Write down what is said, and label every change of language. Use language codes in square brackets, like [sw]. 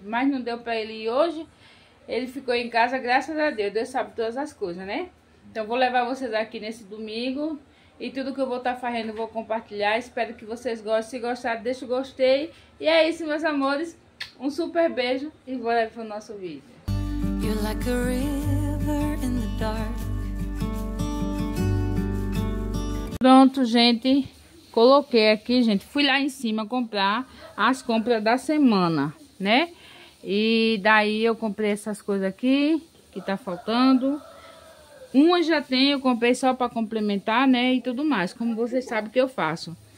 [pt] Mas não deu pra ele ir hoje, ele ficou em casa, graças a Deus, Deus sabe todas as coisas, né? Então vou levar vocês aqui nesse domingo, e tudo que eu vou estar fazendo eu vou compartilhar. Espero que vocês gostem, se gostar, deixa o gostei. E é isso, meus amores, um super beijo e vou levar pro nosso vídeo. [en] You're like a river in the dark. [pt] Pronto, gente, coloquei aqui, gente, fui lá em cima comprar as compras da semana, né? E daí eu comprei essas coisas aqui, que tá faltando. Uma já tenho, comprei só pra complementar, né, e tudo mais, como vocês sabem que eu faço.